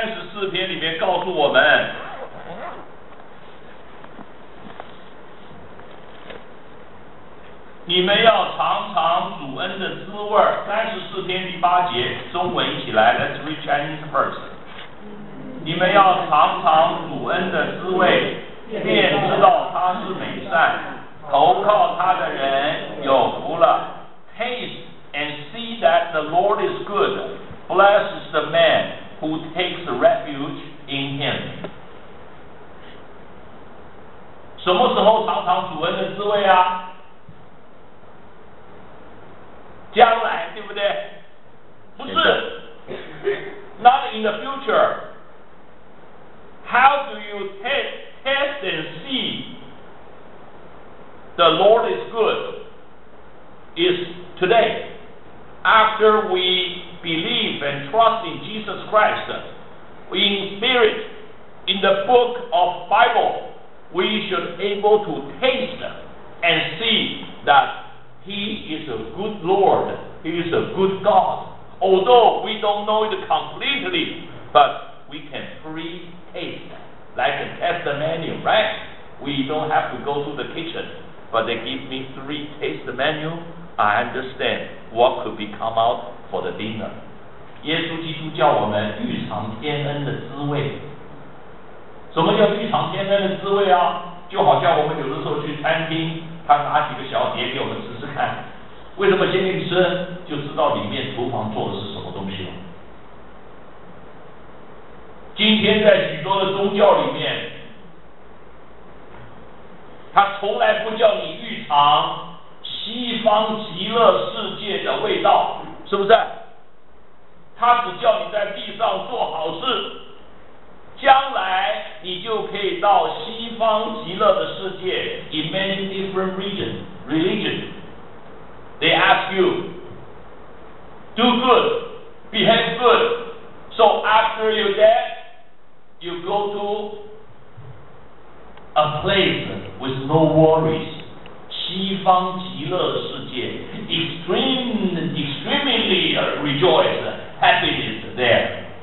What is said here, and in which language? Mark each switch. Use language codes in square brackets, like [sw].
[zh] 四篇里面告诉我们，你们要尝尝主恩的滋味。三十四篇第八节，中文一起来 ， [en] Let's read Chinese first。 [zh] 你们要尝尝主恩的滋味，便知道他是美善，投靠他的人有福了。 [en] Taste and see that the Lord is good. Blessed is the man who takes refuge in Him. [zh] 什么时候尝尝主恩的滋味啊？将来，对不对？不是 ， [en] Not in the future. How do you test and see the Lord is good? Is today, after we believe and trust in Jesus Christ, in spirit, in the book of Bible, we should able to taste and see that. He is a good Lord. He is a good God. Although we don't know it completely, but we can pre-taste. Like a test menu, right? We don't have to go to the kitchen, but they give me three taste menu. I understand what could be come out for the dinner. [zh] 耶稣基督叫我们预尝天恩的滋味。什么叫预尝天恩的滋味啊？就好像我们有的时候去餐厅，他拿几个小碟给我们吃吃看，为什么先去吃就知道里面厨房做的是什么东西了？今天在许多的宗教里面，他从来不叫你预尝西方极乐世界的味道，是不是？他只叫你在地上做好事，将来你就可以到西方极乐的世界。 [en] In many different religion they ask you do good, behave good, so after you death you go to a place with no worries, 西方极乐世界， extremely rejoiced happiness there.